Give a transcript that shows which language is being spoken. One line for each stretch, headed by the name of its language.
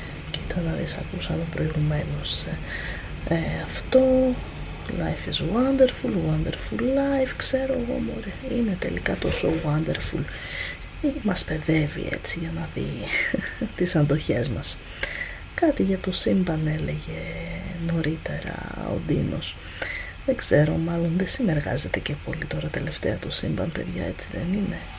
Greek: Κοίτα να δεις, ακούσαμε προηγουμένως αυτό.
English: Life is wonderful, wonderful life.
Greek: Ξέρω εγώ, μωρέ, είναι τελικά τόσο wonderful? Ή μας παιδεύει έτσι για να δει τις αντοχές μας? Κάτι για το σύμπαν έλεγε νωρίτερα ο Ντίνος. Δεν ξέρω, μάλλον δεν συνεργάζεται και πολύ τώρα τελευταία το σύμπαν, παιδιά, έτσι δεν είναι?